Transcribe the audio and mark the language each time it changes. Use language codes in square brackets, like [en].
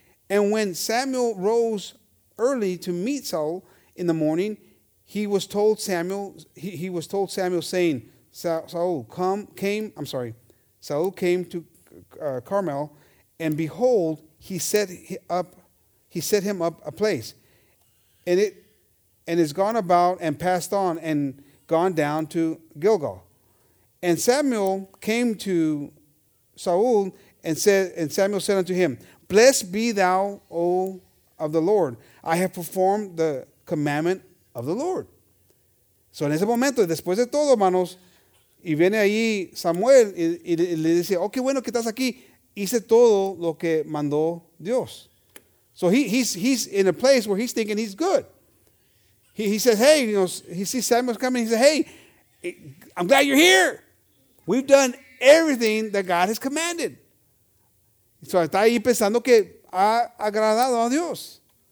[en] And when Samuel rose early to meet Saul in the morning, he was told Samuel, saying, Saul came to Carmel, and behold, he set him up a place, and is gone about and passed on and gone down to Gilgal. And Samuel came to Saul and Samuel said unto him, blessed be thou, O of the Lord. I have performed the commandment of the Lord. [es] So en ese momento, después de todo, hermanos, y viene ahí Samuel y le dice, oh, qué bueno que estás aquí. Hice todo lo que mandó Dios. [en] So he's in a place where he's thinking he's good. He says, hey, you know, he sees Samuel's coming. He says, hey, I'm glad you're here. We've done everything that God has commanded. So [es] está ahí pensando que ha agradado a Dios.